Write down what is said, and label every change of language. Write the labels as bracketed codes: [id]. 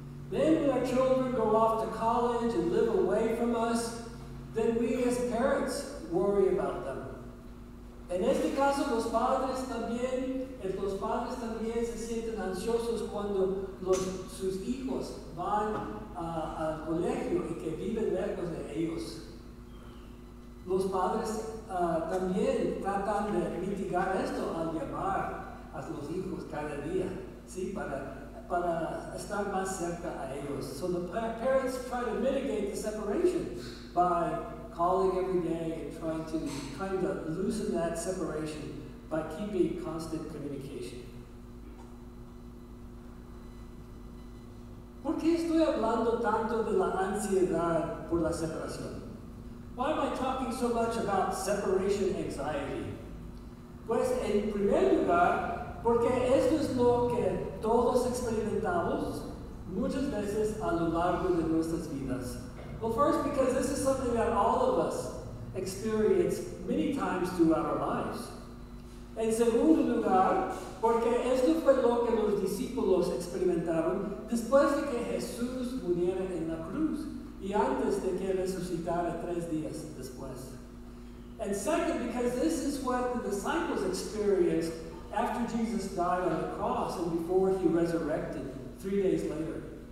[en] Then when our children go off to college and live away from us, then we as parents worry about them. [es] En este caso, los padres también se sienten ansiosos cuando sus hijos van al colegio y que viven lejos de ellos. Los padres también tratan de mitigar esto al llamar a los hijos cada día, ¿sí? Para estar más cerca a ellos. [en] So the parents try to mitigate the separation by calling every day and trying to loosen that separation by keeping constant communication. [es] ¿Por qué estoy hablando tanto de la ansiedad por la separación? [en] Why am I talking so much about separation anxiety? [es] Pues en primer lugar, porque esto es lo que todos experimentamos muchas veces a lo largo de nuestras vidas. [en] Well, first, because this is something that all of us experience many times throughout our lives. [es] En segundo lugar, porque esto fue lo que los discípulos experimentaron después de que Jesús muriera en la cruz y antes de que resucitara tres días después. [en] And second, because this is what the disciples experienced after Jesus died on the cross and before he resurrected 3 days later.